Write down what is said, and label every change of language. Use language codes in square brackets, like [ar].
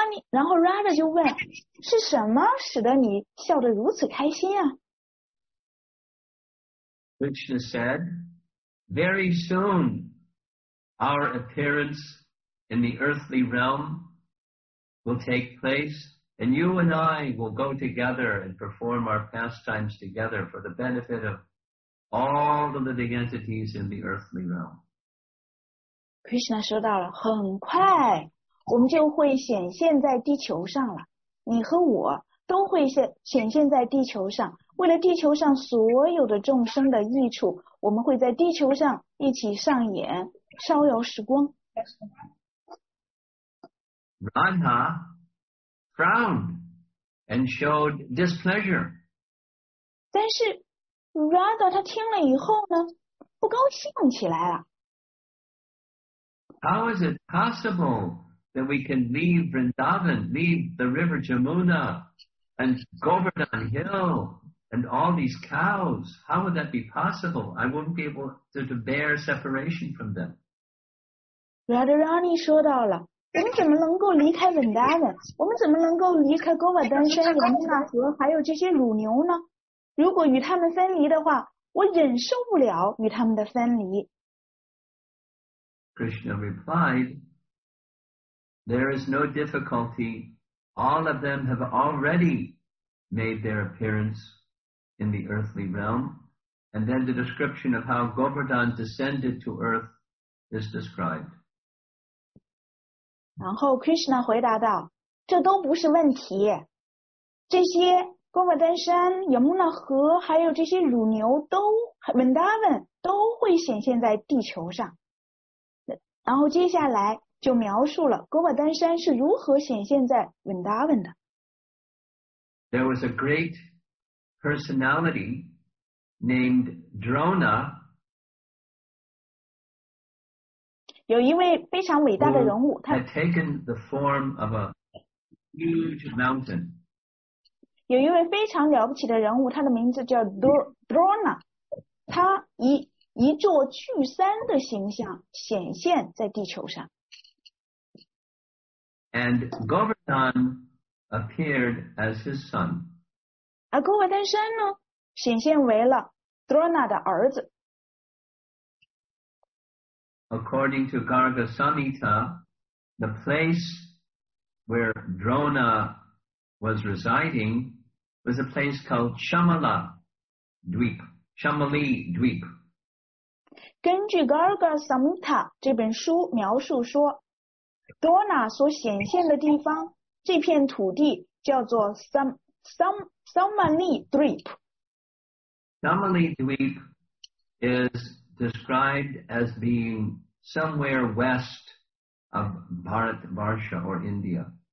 [zh] 然后 Radha 就问，是什么使得你笑得如此开心啊？ [en] Krishna said, very soon our appearance in the earthly realm will take place, and you and I will go together and perform our pastimes together for the benefit of all the living entities in the earthly realm. [zh] Krishna 说到了，很快我们就会显现在地球上了，你和我都会显现在地球上，为了地球上所有的众生的益处，我们会在地球上一起上演逍遥时光。 [en] Radha frowned and showed displeasure. [zh] 但是 Radha 他听了以后呢，不高兴起来了。 [en] How is it possible that we can leave Vrindavan, leave the river Jamuna and Govardhan Hill? And all these cows, how would that be possible? I wouldn't be able to bear separation from them. [zh] Radharani 说到了，我们怎么能够离开 Vrindavan? 我们怎么能够离开 Govardhan 和 Yamuna 河还有这些乳牛呢？如果与他们分离的话，我忍受不了与他们的分离。 [en] Krishna replied, there is no difficulty. All of them have already made their appearance. In the earthly realm, and then the description of how Govardhan descended to earth is described. [zh] 然后 Krishna 回答道，这都不是问题，这些 Govardhan 山、Yamuna 河还有这些乳牛都 Vrindavan 都会显现在地球上。然后接下来就描述了 Govardhan 山是如何显现在 Vrindavan 的。 [en] There was a great personality named Drona. [zh] 有一位非常伟大的人物，他 [en] had taken the form of a huge mountain. [zh] 有一位非常了不起的人物，他的名字叫 Drona. 他以一座巨山的形象显现在地球上。 [en] And Govardhan appeared as his son. [zh] 而 Govardhan 山呢，显现为了 Drona 的儿子。 [en] According to Garga Samhita, the place where Drona was residing was a place called Shamala Dweep, Shamali Dweep. [zh] 根据 Garga Samhita 这本书描述说 ，Drona 所显现的地方，这片土地叫做 Shamali Dweep. [en] Shamali Dweep is described as being somewhere west of Bharat Varsha or India.